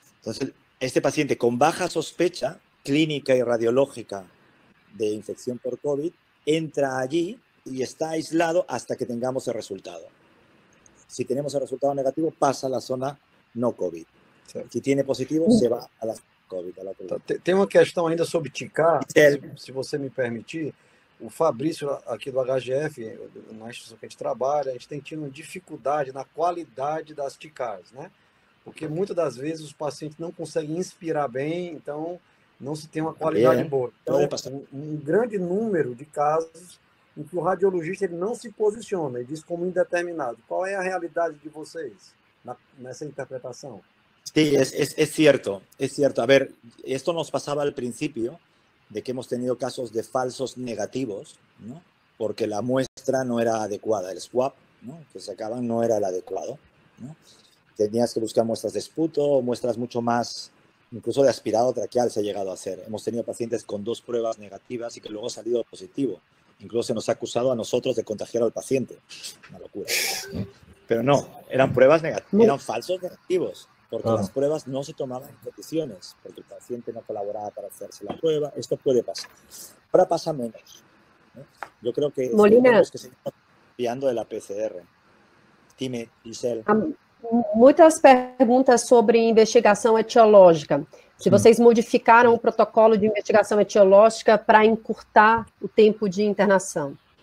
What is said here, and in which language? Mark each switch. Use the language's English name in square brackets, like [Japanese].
[Spanish] Entonces, este paciente con baja sospecha clínica y radiológica de infección por COVID entra allí y está aislado hasta que tengamos el resultado. Si tenemos el resultado negativo, pasa a la zona no COVID. Sí. Si tiene positivo, se va a la COVID. Tengo una cuestión [Portuguese] ainda sobre TICAR, si você me permitir. O Fabrício, aqui do HGF, na instituição que a gente trabalha, a gente tem tido uma dificuldade na qualidade das TICARs, né? Porque muitas das vezes os pacientes não conseguem inspirar bem, então não se tem uma qualidade boa. Então, um grande número de casos em que o radiologista ele não se posiciona, ele diz como indeterminado. Qual é a realidade de vocês nessa interpretação? Sim, é certo. É certo. [Spanish] A ver, [Portuguese] isso nos passava ao princípio, [Spanish] de que hemos tenido casos de falsos negativos, ¿no?, porque la muestra no era adecuada, el swab, ¿no?, que sacaban no era el adecuado, ¿no? Tenías que buscar muestras de esputo, muestras mucho más, incluso de aspirado traqueal se ha llegado a hacer. Hemos tenido pacientes con dos pruebas negativas y que luego ha salido positivo. Incluso se nos ha acusado a nosotros de contagiar al paciente. Una locura, ¿no? Pero no, eran pruebas negativas, eran falsos negativos. Porque las pruebas no se tomaban en condiciones, porque el paciente no colaboraba para hacerse la prueba. Esto puede pasar. Ahora pasa menos, ¿no? Yo creo que Molina, tenemos que seguir confiando de la PCR. Dime, Giselle. [Portuguese] Muitas perguntas sobre investigação etiológica. Se vocês modificaram o protocolo de investigação etiológica para encurtar o tempo de internação.